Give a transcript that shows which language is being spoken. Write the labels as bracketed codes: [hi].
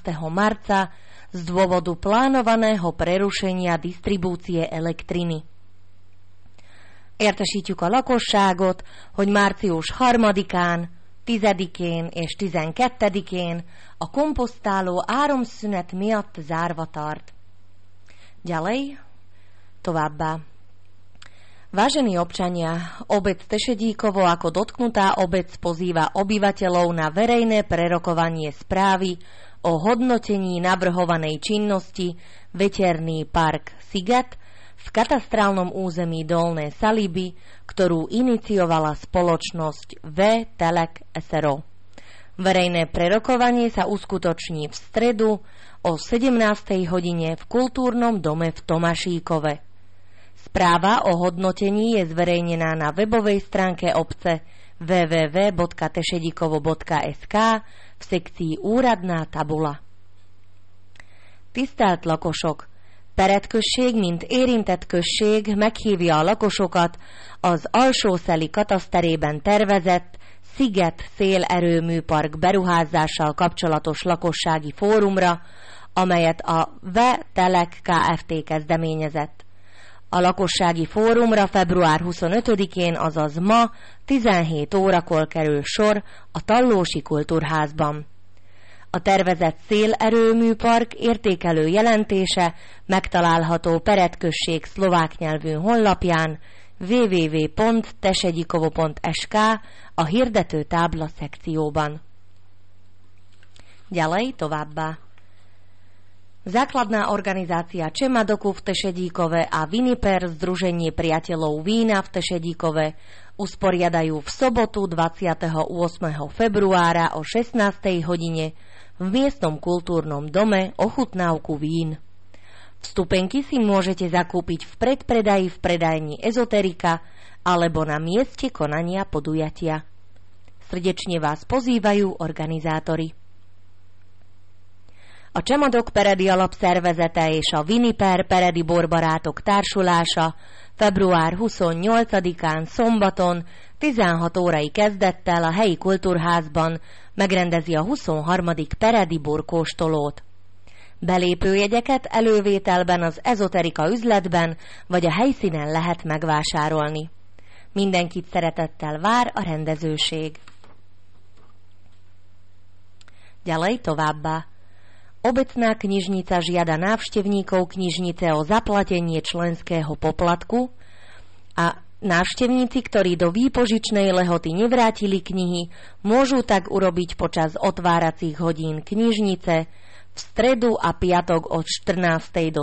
[sk] marca z dôvodu plánovaného prerušenia distribúcie elektriny. [hu] Értesítjük a lakosságot, hogy március 3-án, 10-én és 12-én a komposztáló áramszünet miatt zárva tart. [sk] Ďalej, [hu] továbbá. [sk] Vážení občania, obec Tešedíkovo ako dotknutá obec pozýva obyvateľov na verejné prerokovanie správy o hodnotení navrhovanej činnosti Veterný park Sigat v katastrálnom území Dolné Saliby, ktorú iniciovala spoločnosť V-Telek SRO. Verejné prerokovanie sa uskutoční v stredu o 17. hodine v kultúrnom dome v Tomašíkove. Správa o hodnotení je zverejnená na webovej stránke obce www.tešedikovo.sk v sekcii Úradná tabula. [hu] Tisztelt lakosok! Peretközség, mint érintett község meghívja a lakosokat az Alsószeli kataszterében tervezett Sziget szélerőműpark beruházással kapcsolatos lakossági fórumra, amelyet a V-Telek Kft. Kezdeményezett. A lakossági fórumra február 25-én, azaz ma 17 órakor kerül sor a Tallósi Kultúrházban. A tervezett szélerőműpark értékelő jelentése megtalálható Peretközség szlovák nyelvű honlapján www.tesedikovo.sk a hirdető tábla szekcióban. [sk] Ďalej [hu] továbbá. [sk] Základná organizácia Čemadoku v Tešedíkove a Viniper Združenie priateľov vína v Tešedíkove usporiadajú v sobotu 28. februára o 16. hodine v miestnom kultúrnom dome ochutnávku vín. Vstupenky si môžete zakúpiť v predpredaji v predajni Ezoterika alebo na mieste konania podujatia. Srdečne vás pozývajú organizátori. [hu] A Csemadok Peredi Alapszervezete és a Viniper Peredi Borbarátok Társulása február 28-án szombaton 16 órai kezdettel a helyi kultúrházban megrendezi a 23. Peredi Borkóstolót. Belépőjegyeket elővételben az Ezoterika üzletben vagy a helyszínen lehet megvásárolni. Mindenkit szeretettel vár a rendezőség. [sk] Ďalej [hu] továbbá. [sk] Obecná knižnica žiada návštevníkov knižnice o zaplatenie členského poplatku a návštevníci, ktorí do výpožičnej lehoty nevrátili knihy, môžu tak urobiť počas otváracích hodín knižnice v stredu a piatok od 14.